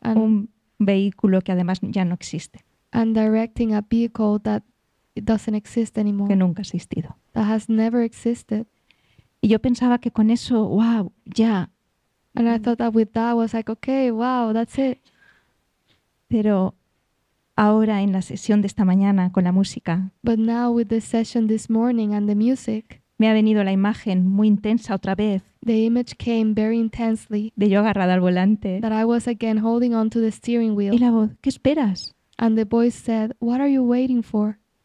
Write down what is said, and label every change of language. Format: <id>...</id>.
<es>And un vehículo que además ya no existe.</es> <en>And directing a vehicle that doesn't exist anymore.</en> <es>Que nunca ha existido.</es> <en>That has never existed.</en> <es>Y yo pensaba que con eso, wow, ya.</es> <en>And I thought that with that I was like, okay, wow, that's it.</en> <es>Pero ahora en la sesión de esta mañana con la música.</es> <en>But now with the session this morning and the music.</en> <es>Me ha venido la imagen muy intensa otra vez.</es> <en>The image came very intensely.</en> <es>De yo agarrada al volante.</es> <en>That I was again holding on to the steering wheel.</en> <es>Y la voz, ¿qué esperas?</es> <en>And the voice said, what are you waiting for?</en>